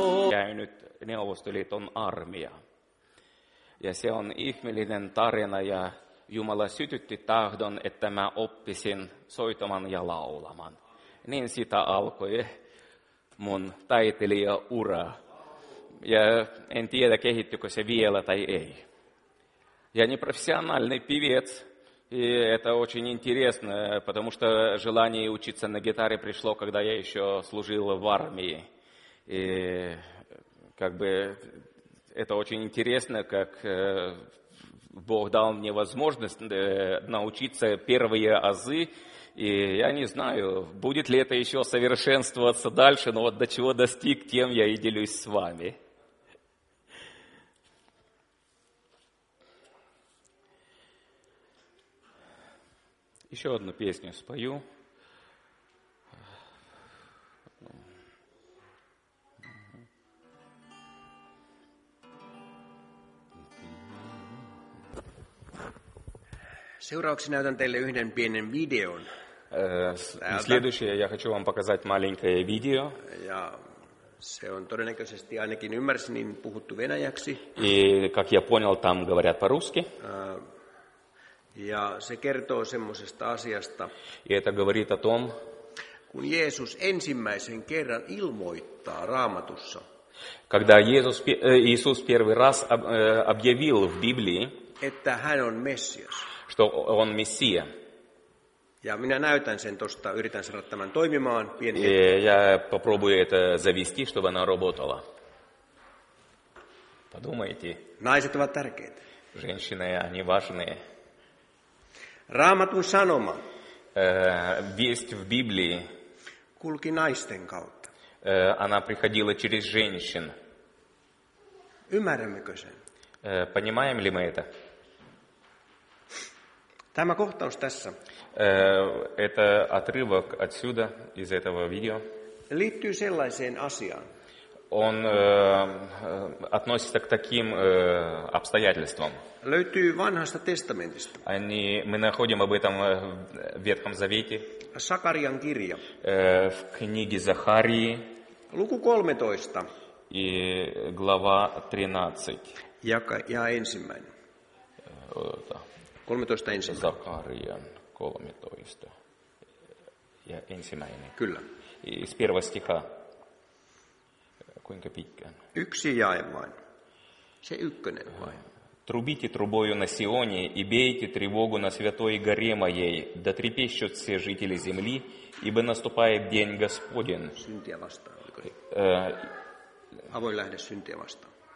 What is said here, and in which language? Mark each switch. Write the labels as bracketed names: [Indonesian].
[Finnish] Käynyt Neuvostoliiton armia. Ja se on ihmeellinen tarina, ja Jumala sytytti tahdon, että mä oppisin soitamaan ja laulamaan. Niin sitä alkoi mun taiteilijaura. Ja en tiedä, kehittyykö se vielä tai ei. [Russian] Я не профессиональный певец. И это очень интересно, потому что желание учиться на гитаре пришло, когда я еще служил в армии. И как бы это очень интересно, как Бог дал мне возможность научиться первые азы. И я не знаю, будет ли это еще совершенствоваться дальше, но вот до чего достиг, тем я и делюсь с вами. Еще одну песню спою. [Finnish] Seuraavaksi näytän teille yhden pienen videon. [Russian] Следующее я хочу вам показать маленькое видео. [Finnish] Ja se on todennäköisesti ainakin ymmärsin niin puhuttu venäjäksi. [Russian] И как я понял, там говорят по-русски. [Finnish] Ja se kertoo semmoisesta asiasta. [Russian] И это говорит о том, [Finnish] kun Jeesus ensimmäisen kerran ilmoittaa Raamatussa. [Russian] Когда Иисус первый раз объявил в Библии, [Finnish] että hän on Messias. [Russian] Что он Мессия. [Finnish] Ja minä näytän sen tuosta, yritän saada tämän toimimaan pieni. [Russian] Я попробую это завести, чтобы она работала. Подумайте. [Finnish] Naiset ovat tärkeitä. [Russian] Женщины, они важные. [Finnish] Raamatun sanoma. [Russian] Весть в Библии. [Finnish] Kulki naisten kautta. [Russian] Она приходила через женщин. [Finnish] Ymmärrämmekö sen? [Russian] Понимаем ли мы это? [Finnish] Tämä kohtaus tässä. [Russian] Это отрывок отсюда из этого видео. [Finnish] Liittyy sellaiseen asiaan. [Russian] Он относится к таким обстоятельствам. [Finnish] Löytyy vanhasta testamentista. [Russian] Мы находим об этом в Ветхом Завете. [Finnish] Сакарьян кирья. [Russian] В книге Захарии. Луку 13. И глава 13. [Finnish] Ja ensimmäinen. 13 ensimmäinen. Sakarian 13. Ja ensimmäinen. Kyllä. [Russian] Из первого стиха. [Finnish] Kuinka pitkään? Yksi jae vain. Se ykkönen vain. [Russian] Трубите трубою на Сионе и бейте тревогу на святой горе моей, да трепещут все жители земли, ибо наступает день Господень. [Finnish] Syntiä vastaan, oliko niin? Avoin lähde syntiä vastaan.